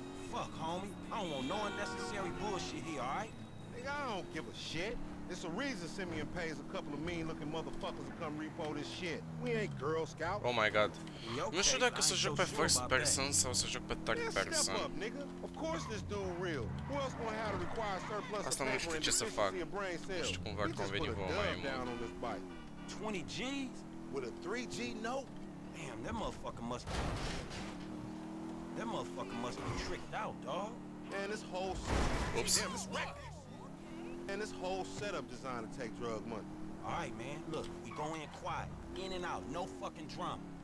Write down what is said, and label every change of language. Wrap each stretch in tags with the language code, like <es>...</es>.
<en>Fuck, homie. I don't want no unnecessary bullshit here, alright? Nigga, I don't give a shit. It's a reason Simeon pays a couple of mean-looking motherfuckers to come repo this shit. We ain't Girl Scout. Oh my god.</en> <ro>Nu știu dacă să joc pe first person sau să joc pe third person.</ro> <en>Step up, nigga. Of course this dude real. Who else gonna have to require surplus</en> <ro>asta nu știu ce să fac. Nu știu cum va conveni vouă mai mult.</ro> <en>20 G's? With a 3G note? Damn, that motherfucker must be... That motherfucker must be tricked out, dog. Man, this whole... Oops. And this whole setup designed to take drug money. All right, man. Look, we go in quiet, in and out, no fucking drama.</en>